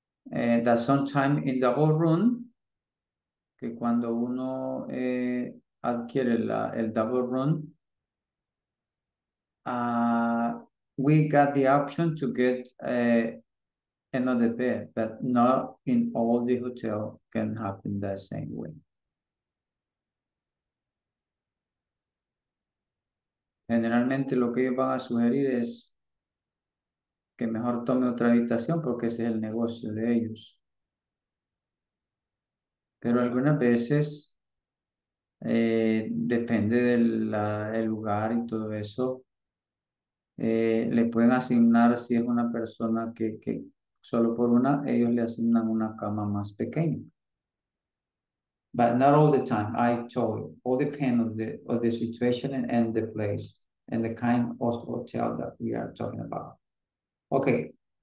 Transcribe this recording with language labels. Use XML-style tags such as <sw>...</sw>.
<en>And that sometimes in the double room,</en> <es>que cuando uno adquiere el</es> <en>double room, we got the option to get another bed, but not in all the hotel can happen that same way.</en> <es>Generalmente lo que ellos van a sugerir es que mejor tome otra habitación porque ese es el negocio de ellos. Pero algunas veces depende del lugar y todo eso. Le pueden asignar si es una persona que solo por una, ellos le asignan una cama más pequeña.</es> <en>But not all the time, I told you. All depends on the situation and the place and the kind of hotel that we are talking about. Okay.</en>